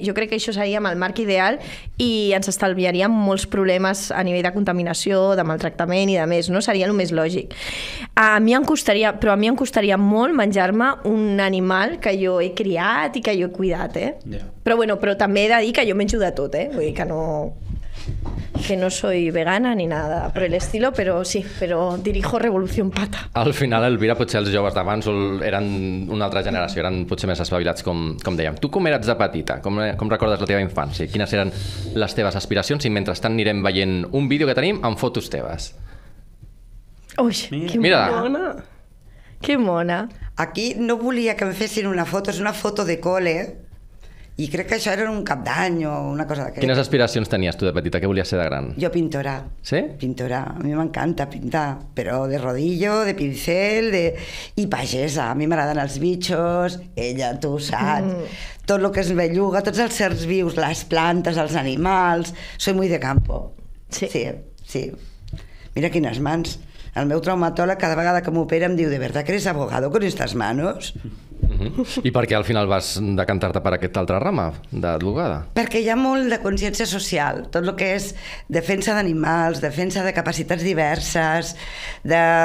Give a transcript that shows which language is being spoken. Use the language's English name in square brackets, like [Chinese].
[Catalan] Jo crec que això seria el marc ideal i ens estalviaria molts problemes a nivell de contaminació, de maltractament i de més. No? Seria el més lògic. A mi em costaria molt menjar-me un animal que jo he criat i que jo he cuidat. Eh? Però, bueno, però també he de dir que jo menjo de tot. Eh? Vull dir que no... [Spanish] Que no soy vegana ni nada por el estilo, pero sí, pero dirijo Revolución Pata. [Catalan] Al final, Elvira, potser els joves d'abans eren una altra generació, eren potser més espavilats, com dèiem. Tu com eres de petita? Com recordes la teva infància? Quines eren les teves aspiracions? I mentrestant anirem veient un vídeo que tenim amb fotos teves. Ui, que mona! Que mona! Aquí no volia que em fessin una foto, és una foto de col·le, i crec que això era un cap d'any o una cosa d'aquesta. Quines aspiracions tenies tu de petita? Què volies ser de gran? Jo pintora. Sí? Pintora. A mi m'encanta pintar, però de rodillo, de pincel, de... i pagesa. A mi m'agraden els bitxos, ella, tu ho saps. Tot el que és belluga, tots els sers vius, les plantes, els animals... [Spanish] Soy muy de campo. Sí. [Catalan] Sí, sí. Mira quines mans. El meu traumatòleg cada vegada que m'opera em diu [Spanish] de verdad que eres abogado con estas manos? [Catalan] I per què al final vas decantar-te per aquesta altra rama d'advocada? Perquè hi ha molt de consciència social, tot el que és defensa d'animals, defensa de capacitats diverses, de...